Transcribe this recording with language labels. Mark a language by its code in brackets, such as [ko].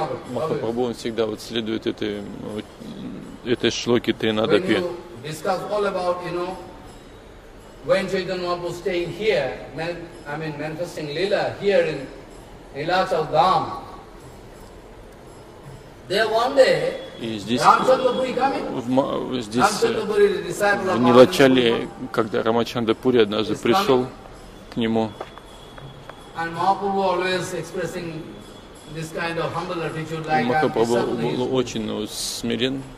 [ru] Махапрабху он всегда вот следует этой шлоке Тринадапи. [en] When Chaitanya Mahaprabhu was staying here, manifesting Lila here in Nilachal Dham, there one day, [ru] Рамачандрапури в Нилачале, когда Рамачандрапури однажды пришел к нему, [en] and Mahaprabhu always expressing this kind of humble attitude, like [ru] Махапрабху был очень смирен.